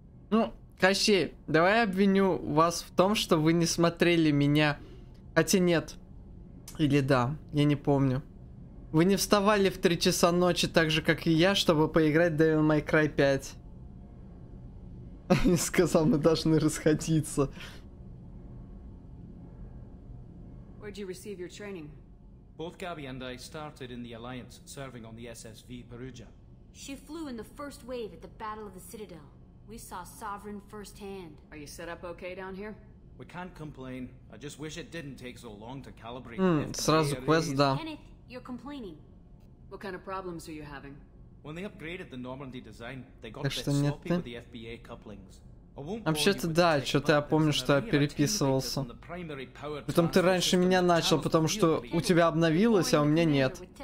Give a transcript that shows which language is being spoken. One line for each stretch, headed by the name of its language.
Russian: Ну, Кощей, давай обвиню вас в том, что вы не смотрели меня. Хотя нет. Или да, я не помню. Вы не вставали в 3 часа ночи так же, как и я, чтобы поиграть в Devil May Cry 5. Я сказал, мы должны расходиться.
English: Where did you receive your training? Both Gabby and I started in the Alliance, serving on the SSV Perugia. She flew in the first wave at the Battle of the Citadel. We saw Sovereign firsthand. Are you set up okay down here? We can't complain. I just wish it didn't take so long to calibrate.
Russian: Сразу квест, да.
English: Kenneth, you're complaining. What kind of problems are you having? When they upgraded the Normandy design, they got a bit sloppy with the FBA couplings.
Russian: Вообще-то да, что-то я помню, что я переписывался. Потом ты раньше меня начал, потому что у тебя обновилось, а у меня нет.